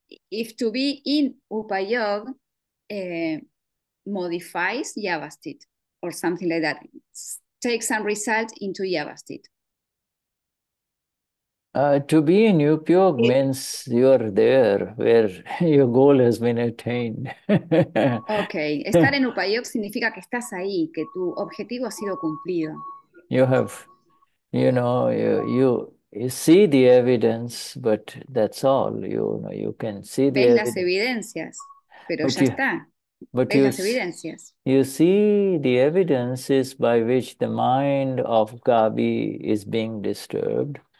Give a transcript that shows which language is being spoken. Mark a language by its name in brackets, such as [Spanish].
[English] If to be in upayog modifies yavastit or something like that, take some result into yavastit. To be in upayog means you're there where your goal has been attained. Okay. [Spanish] Estar en upayog significa que estás ahí, que tu objetivo ha sido cumplido. [English] You have, you know, you see the evidence, but that's all. You know, you can see the [Spanish] evidence. Ves las evidencias, pero ya está. [English] But you see the evidences by which the mind of Gabi is being disturbed.